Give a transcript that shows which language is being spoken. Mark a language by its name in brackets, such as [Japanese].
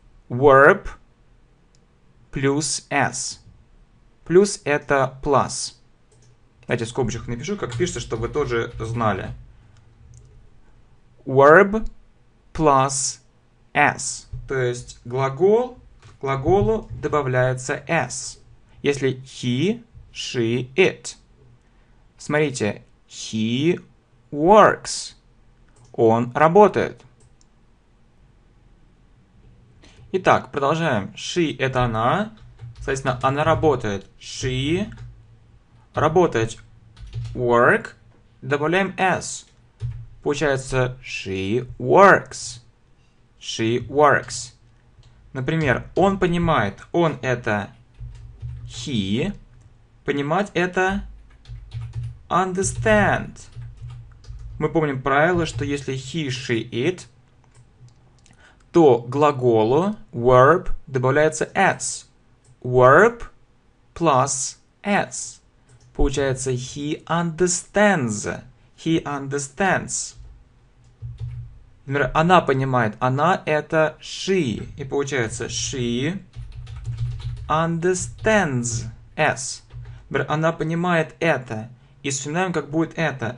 [English] Verb [Russian] плюс [English] s. [Russian] Плюс это plus. Давайте в скобочках напишу, как пишется, чтобы вы тоже знали. [English] Verb plus s. [Russian] То есть глагол, глаголу добавляется s. Если [English] he, she, it. [Russian] Смотрите, [English] he works. [Russian] Он работает. Итак, продолжаем. She – это она. Соответственно, она работает. She – работать. [English] Work. [Russian] Добавляем s. Получается, [English] she works. She works. [Russian] Например, он понимает. Он – это he. Понимать – это understand. Мы помним правило, что если [English] he, she, it, [Russian] то глаголу verb добавляется s. [English] Verb plus s. [Russian] Получается [English] he understands. He understands. [Russian] Например, она понимает. Она это she. И получается [English] she understands s. [Russian] Например, она понимает это. И вспоминаем, как будет это.